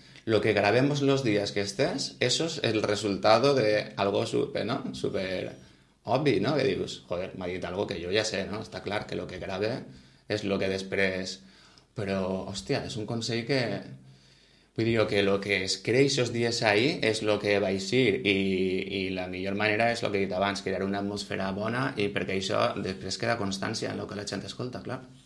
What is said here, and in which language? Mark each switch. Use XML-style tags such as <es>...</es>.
<es>Lo que gravemos los días que estés, eso es el resultado de algo super, ¿no?</es> <ca>Super obvi, ¿no? Que dius, joder, m'ha dit algo que jo ja sé, ¿no? Està clar que lo que grave és lo que després... Però, hòstia, és un consell que... Vull dir que</ca> <es>lo que es crea esos días ahí es lo que va a ser.</es> <ca>I la millor manera és lo que he dit abans, crear una atmosfera bona i perquè això després queda constància en lo que la gent escolta, clar.</ca>